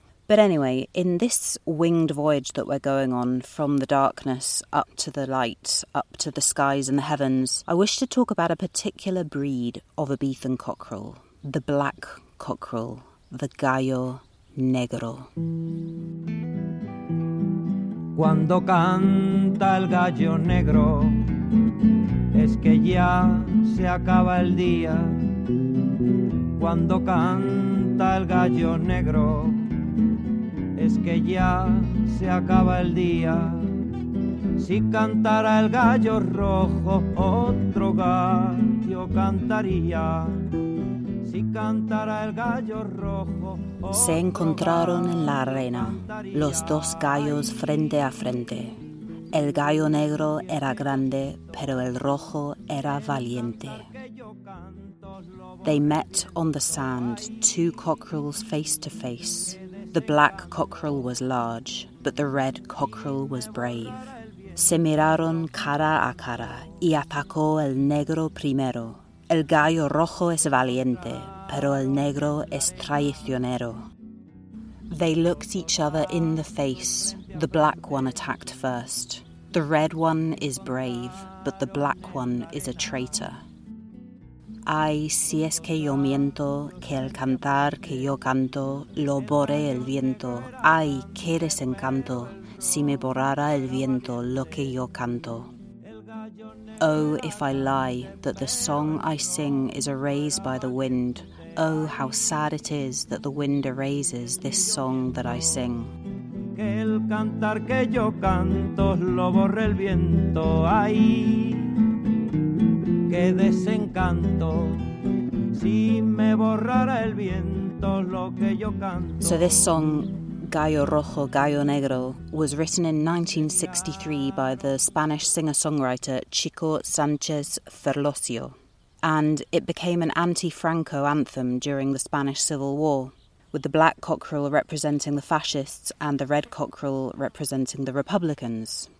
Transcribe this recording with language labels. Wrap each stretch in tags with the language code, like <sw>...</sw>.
<en>But anyway, in this winged voyage that we're going on, from the darkness up to the light, up to the skies and the heavens, I wish to talk about a particular breed of Ibizan cockerel, the black cockerel, the gallo negro.</en> <es>Cuando canta el gallo negro, es que ya se acaba el día. Cuando canta el gallo negro, es que ya se acaba el día. Si cantara el gallo rojo, otro gallo cantaría. Si cantara el gallo rojo. Se encontraron en la arena, los dos gallos frente a frente. El gallo negro era grande, pero el rojo era valiente.</es> <en>They met on the sand, two cockerels face to face. The black cockerel was large, but the red cockerel was brave.</en> <es>Se miraron cara a cara y atacó el negro primero. El gallo rojo es valiente, pero el negro es traicionero.</es> <en>They looked each other in the face. The black one attacked first. The red one is brave, but the black one is a traitor.</en> <es>Ay, si es que yo miento, que el cantar que yo canto lo borre el viento. Ay, qué desencanto, si me borrara el viento lo que yo canto.</es> <en>Oh, if I lie, that the song I sing is erased by the wind. Oh, how sad it is that the wind erases this song that I sing.</en> <es>Que el cantar que yo canto lo borre el viento. Ay, qué desencanto, si me borrara el viento lo que yo canto.</es> <en>So this song, Gallo Rojo, Gallo Negro, was written in 1963 by the Spanish singer-songwriter Chico Sánchez Ferlosio, and it became an anti-Franco anthem during the Spanish Civil War, with the black cockerel representing the fascists and the red cockerel representing the republicans.</en>